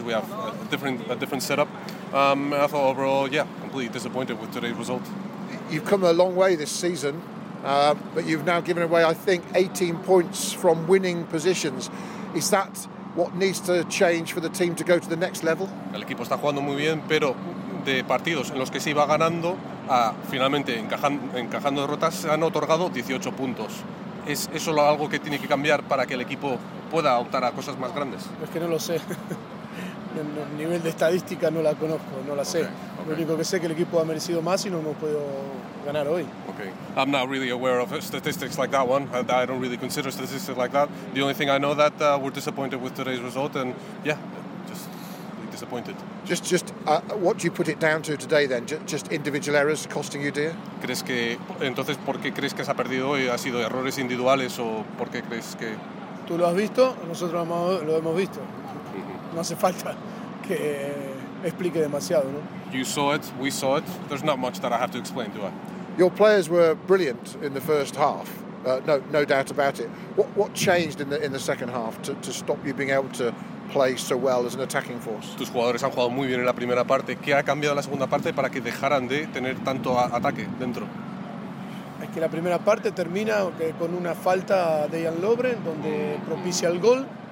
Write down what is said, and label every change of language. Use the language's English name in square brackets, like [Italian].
[English] We have a different setup. I thought overall, yeah, completely disappointed with today's result. You've come a long way this season, but you've now given away, I think, 18 points from winning positions. Is that what needs to change for the team to go to the next level? [Spanish] El equipo está jugando muy bien, pero de partidos en los que se iba ganando, finalmente encajando derrotas, se han otorgado 18 puntos. ¿Es eso algo que tiene que cambiar para que el equipo pueda optar a cosas más grandes? Es que no lo sé. El nivel de estadística no la conozco, no la sé. Okay, okay. Lo único que sé es que el equipo ha merecido más y no hemos podido ganar hoy. Okay. [English] I'm not really aware of statistics like that one. I don't really consider statistics like that. The only thing I know that we're disappointed with today's result, and yeah, just really disappointed. What do you put it down to today then? Just individual errors costing you dear? [Spanish] ¿Crees que entonces por qué crees que se ha perdido hoy? ¿Ha sido errores individuales o por qué crees que? Tú lo has visto, nosotros lo hemos visto. No hace falta que explique demasiado, ¿no? [English] You saw it, we saw it. There's not much that I have to explain, do I? Your players were brilliant in the first half, no doubt about it. What changed in the second half to stop you being able to play so well as an attacking force? [Spanish] Tus jugadores han jugado muy bien en la primera parte. ¿Qué ha cambiado en la segunda parte para que dejaran de tener tanto ataque dentro? Es que la primera parte termina con una falta de Jan Lovren, donde propicia el gol.